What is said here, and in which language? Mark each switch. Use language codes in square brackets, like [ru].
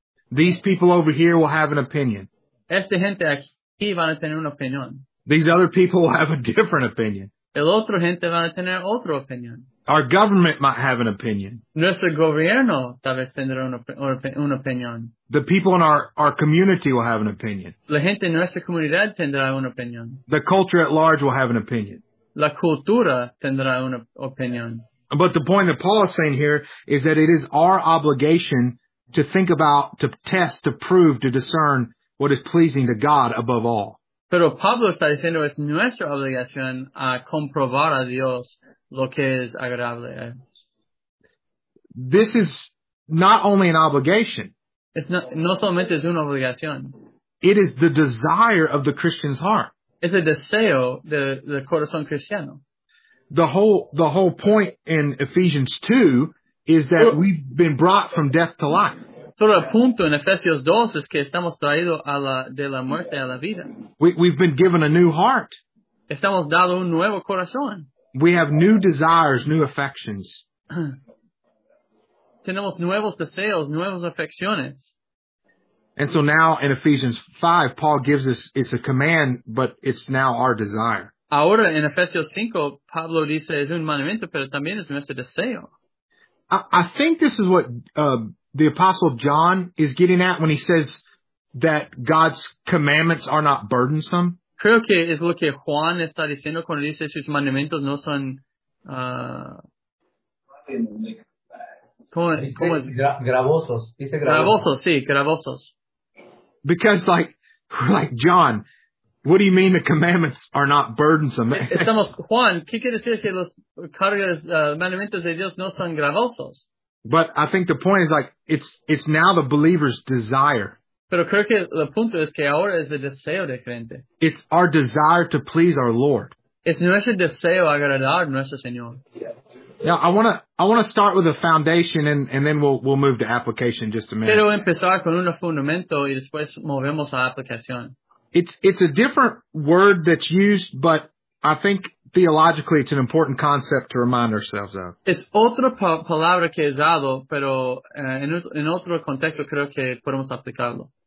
[en] These people over here will have an opinion. [es] Esta gente aquí van a tener una opinión. [en] These other people will have a different opinion. [es] El otro gente van a tener otra opinión. [en] Our government might have an opinion. [es] Nuestro gobierno tal vez tendrá una opinión. [en] The people in our community will have an opinion. [es] La gente en nuestra comunidad tendrá una opinión. [en] The culture at large will have an opinion. [es] La cultura tendrá una opinión. [en] But the point that Paul is saying here is that it is our obligation to think about, to test, to prove, to discern what is pleasing to God above all. [es] Pero Pablo está diciendo es nuestra obligación a comprobar a Dios lo que es agradable. [en] This is not only an obligation. It's not, [es] no solamente es una obligación. [en] It is the desire of the Christian's heart. [es] Es el deseo del corazón cristiano. [en] The whole point in Ephesians 2 is that we've been brought from death to life. [es] Todo el punto en Efesios 2 es que estamos traídos de la muerte a la vida. [en] We've been given a new heart. [es] Estamos dado un nuevo corazón. [en] We have new desires, new affections. [es] Tenemos nuevos deseos, nuevas afecciones. [en] And so now in Ephesians 5, Paul gives us, it's a command, but it's now our desire. [es] Ahora en Efesios 5, Pablo dice, es un mandamiento, pero también es nuestro deseo. [en] I think this is what the Apostle John is getting at when he says that God's commandments are not burdensome. [es] Creo que es lo que Juan está diciendo cuando dice sus mandamientos no son... Gravosos. Gravosos. [en] Because like John, what do you mean the commandments are not burdensome? [es] Estamos, Juan, ¿qué quiere decir que los cargas, mandamientos de Dios no son gravosos? [en] But I think the point is like, it's now the believer's desire. [es] Pero creo que el punto es que ahora es el deseo del creyente. [en] It's our desire to please our Lord. [es] Es nuestro deseo agradar a nuestro Señor. [en] Now, I want to start with a foundation and then we'll move to application in just a minute. [es] Quiero empezar con un fundamento y después movemos a aplicación. [en] It's a different word that's used, but I think theologically it's an important concept to remind ourselves of. [es] Es otra palabra que he usado, pero en otro contexto creo que podemos aplicarlo.